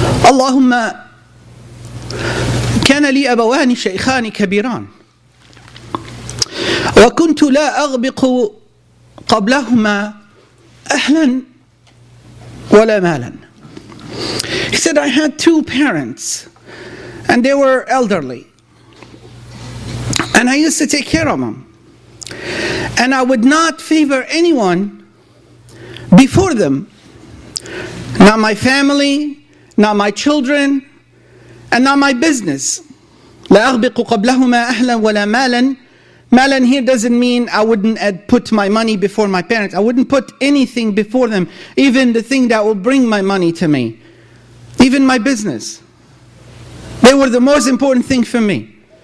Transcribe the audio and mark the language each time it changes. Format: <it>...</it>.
<ar>اللهم كان لي أبوان شيخان كبيران وكنت لا أغبق قبلهما أهلا ولا مالا.</ar> <en>He said, I had two parents and they were elderly and I used to take care of them and I would not favor anyone before them, not my family, not my children, and not my business.</en> <ar>لا أغبق قبلهما أهلا ولا مالا.</ar> <en>مالا here doesn't mean I wouldn't put my money before my parents. I wouldn't put anything before them, even the thing that will bring my money to me, even my business. They were the most important thing for me.</en>